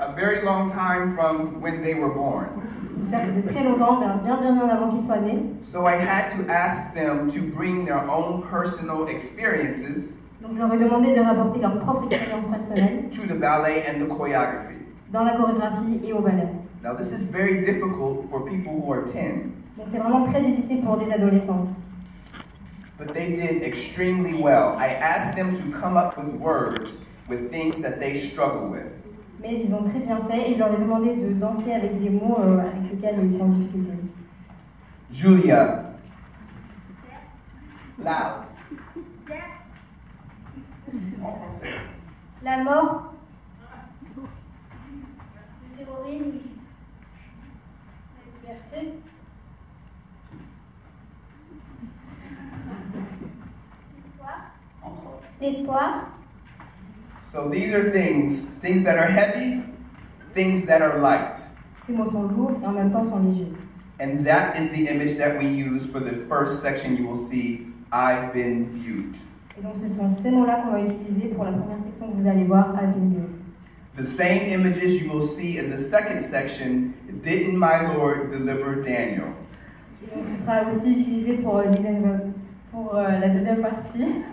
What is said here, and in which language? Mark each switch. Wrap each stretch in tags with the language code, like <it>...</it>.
<en>A very long time from when they were born.</en> <fr>Ça faisait très longtemps, bien avant qu'ils soient nés.</fr> <en>So I had to ask them to bring their own personal experiences.</en> <fr>Donc je leur ai demandé de rapporter leur propre expérience personnelle.</fr> <en>To the ballet and the choreography.</en> <fr>Dans la chorégraphie et au ballet.</fr> <en>Now this is very difficult for people who are 10.</en> <fr>Donc c'est vraiment très difficile pour des adolescents.</fr> <en>But they did extremely well. I asked them to come up with words with things that they struggle with.</en> <fr>Mais ils ont très bien fait et je leur ai demandé de danser avec des mots avec lesquels ils sont en difficulté.</fr> <en>Julia. Loud.</en> <fr>La mort. La liberté. L'espoir.</fr> <en>So these are things that are heavy, things that are light.</en> <fr>Ces mots sont lourds et en même temps sont légers.</fr> <en>And that is the image that we use for the first section you will see, I've been mute.</en> <fr>Et donc ce sont ces mots-là qu'on va utiliser pour la première section que vous allez voir,</fr> <en>I've been mute. The same images you will see in the second section, didn't my Lord deliver Daniel?</en> <fr>Et donc ce sera aussi utilisé pour la deuxième partie.</fr>